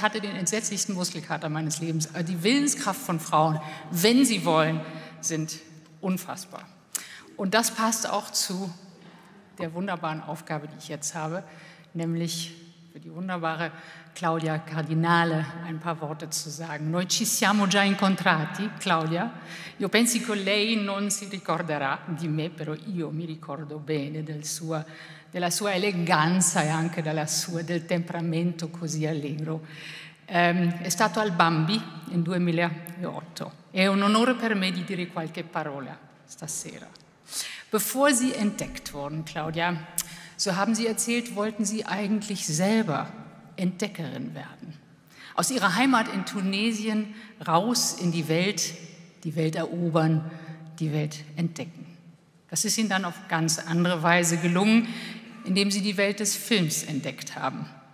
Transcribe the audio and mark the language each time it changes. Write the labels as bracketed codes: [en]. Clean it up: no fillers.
[de] Ich hatte den entsetzlichsten Muskelkater meines Lebens. Aber die Willenskraft von Frauen, wenn sie wollen, sind unfassbar. Und das passt auch zu der wunderbaren Aufgabe, die ich jetzt habe, nämlich für die wunderbare Claudia Cardinale ein paar Worte zu sagen. [it] Noi ci siamo già incontrati, Claudia. Io pensi che lei non si ricorderà di me, però io mi ricordo bene della sua eleganza e anche del temperamento così allegro. È stato al Bambi in 2008. È un onore per me di dire qualche parola stasera. [de] Bevor Sie entdeckt wurden, Claudia, so haben Sie erzählt, wollten Sie eigentlich selber Entdeckerin werden. Aus Ihrer Heimat in Tunesien raus in die Welt erobern, die Welt entdecken. Das ist Ihnen dann auf ganz andere Weise gelungen, indem Sie die Welt des Films entdeckt haben.